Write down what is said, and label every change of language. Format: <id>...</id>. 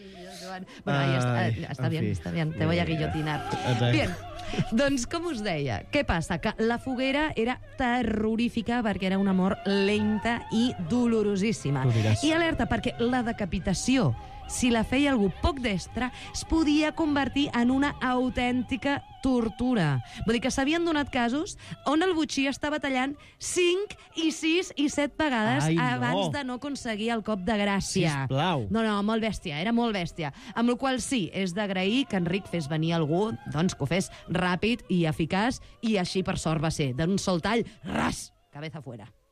<es>Ai, aquí, graciosillo, Joan. Bueno, ahí está bien, te voy a guillotinar.</es> <ca>Bien, doncs com us deia, què passa? Que la foguera era terrorífica perquè era una mort lenta i dolorosíssima. I alerta, perquè la decapitació, si la feia algú poc destre, es podia convertir en una autèntica tortura. Vull dir que s'havien donat casos on el botxí estava tallant 5 i 6 i 7 vegades ai, abans no. de no aconseguir el cop de gràcia. Sisplau. No, molt bèstia, era molt bèstia. Amb el qual sí, és d'agrair que Enric fes venir algú, doncs que ho fes ràpid i eficaç, i així per sort va ser. D'un sol tall, ras,</ca> <es>cabeza fuera.</es>